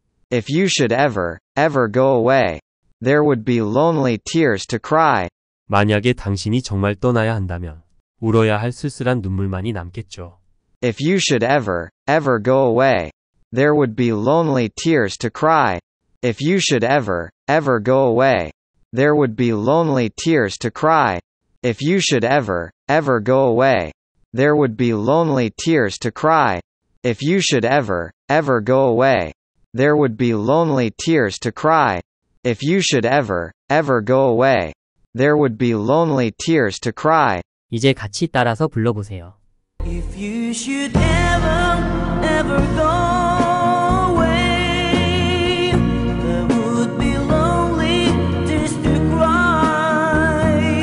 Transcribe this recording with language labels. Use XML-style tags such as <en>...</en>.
<en>If you should ever, ever go away, there would be lonely tears to cry.</en> <ko>만약에 당신이 정말 떠나야 한다면, 울어야 할 쓸쓸한 눈물만이 남겠죠.</ko> <en>If you should ever, ever go away, there would be lonely tears to cry. If you should ever, ever go away, there would be lonely tears to cry. If you should ever, ever go away, there would be lonely tears to cry. If you should ever, ever go away, there would be lonely tears to cry. If you should ever, ever go away, there would be lonely tears to cry.</en> <ko>이제 같이 따라서 불러보세요.</ko> <en>If you should ever, ever go away, I would be lonely just to cry.</en>